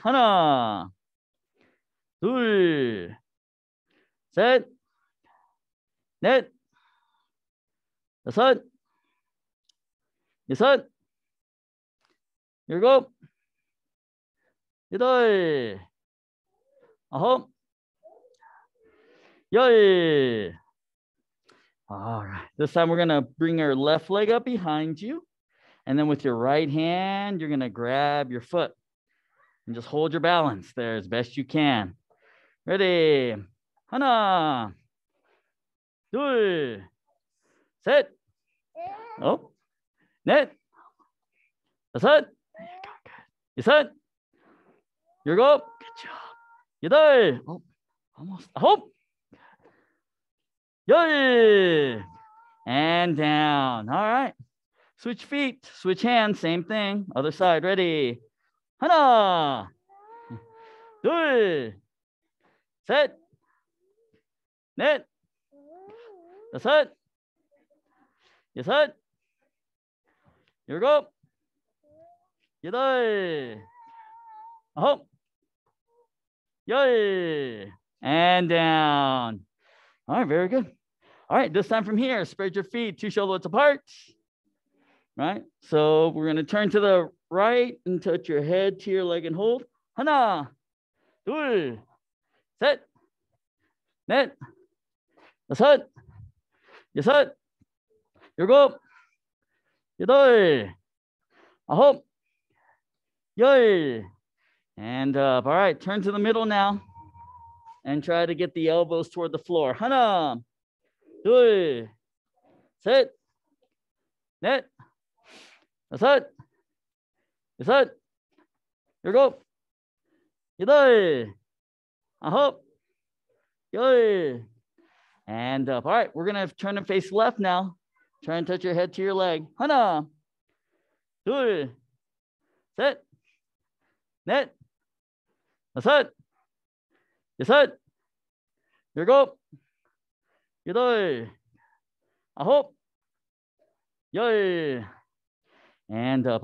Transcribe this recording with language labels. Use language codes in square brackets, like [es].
[ko] 하나, 둘, 셋, 넷, 다섯, 여섯, 일곱, 여덟, 아홉, 열. [en] All right, this time we're going to bring your left leg up behind you. And then with your right hand, you're going to grab your foot and just hold your balance there as best you can. [ko] Ready? 하나, 둘, 셋, 넷, 다섯, 여섯, 일곱, 여덟, [en] almost, [ko] 아홉, 열. [en] And down. All right. Switch feet, switch hands, same thing. Other side, ready. [ko] 하나, 둘, 셋, 넷, 다섯, 여섯, 일곱, 여덟, 아홉, 열. [en] And down. All right, very good. All right, this time from here, spread your feet two shoulder widths apart, right? So we're going to turn to the right and touch your head to your leg and hold. [ko] 하나, 둘, 셋, 넷, 다섯, 여섯, 일곱, 여덟, 아홉, 열. [en] And up. All right, turn to the middle now and try to get the elbows toward the floor. [ko] 하나, 둘, 셋, 넷, 다섯, 여섯, 일곱, 여덟, 아홉, [en] Yay. And up. All right, we're gonna turn and face left now. Try and touch your head to your leg. [ko] Hana. Dui. Set. Net. Asat. Yesat. Here go. Yidoi. Ahop. [en] Yay. And up.